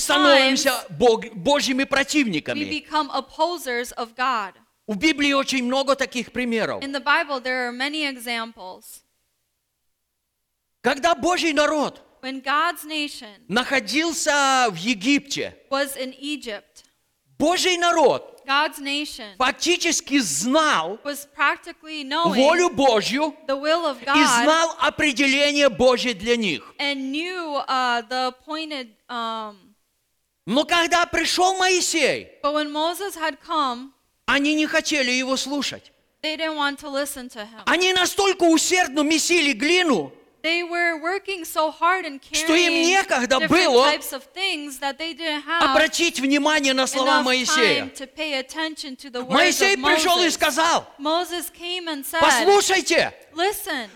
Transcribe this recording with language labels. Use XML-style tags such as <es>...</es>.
<ru>становимся Божьими противниками.</ru> <en>We become opposers of God.</en> <ru>В Библии очень много таких примеров.</ru> <en>In the Bible, there are many examples.</en> <ru>Когда Божий народ</ru> <en>When God's nation</en> <ru>находился в Египте,</ru> <en>was in Egypt,</en> <ru>Божий народ</ru> <en>God's nation</en> <ru>фактически знал</ru> <en>was practically knowing</en> <ru>волю Божью</ru> <en>the will of God,</en> <ru>и знал определение Божье для них.</ru> <en>And knew, the appointed,</en> <ru>Но когда пришел Моисей,</ru> <en>but when Moses had come,</en> <ru>они не хотели его слушать.</ru> <en>They didn't want to listen to him.</en> <ru>Они настолько усердно месили глину,</ru> <en>They were working so hard and carrying different types of things that they didn't have enough time to pay attention to the words of Moses.</en> <ru>Сказал,</ru> <en>Moses came and said, Listen,</en>